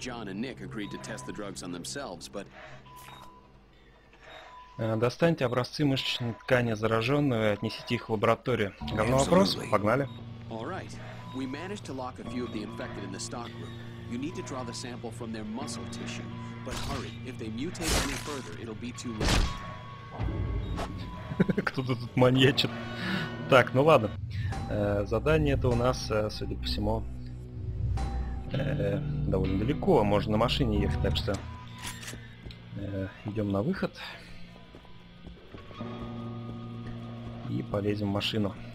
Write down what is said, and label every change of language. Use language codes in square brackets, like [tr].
[en] John and Nick agreed to test the drugs on themselves, but... [ru] Достаньте образцы мышечной ткани зараженную и отнесите их в лабораторию. Говно вопрос, погнали. [en] All right. We managed to lock a few of the infected in the stock room. You need to draw the sample from their muscle tissue. But hurry, if they mutate any further, it'll be too late. [ru] Кто-то тут маньячит. Так, ну ладно. Задание это у нас, судя по всему, довольно далеко. Можно на машине ехать, так что идем на выход. И полезем в машину.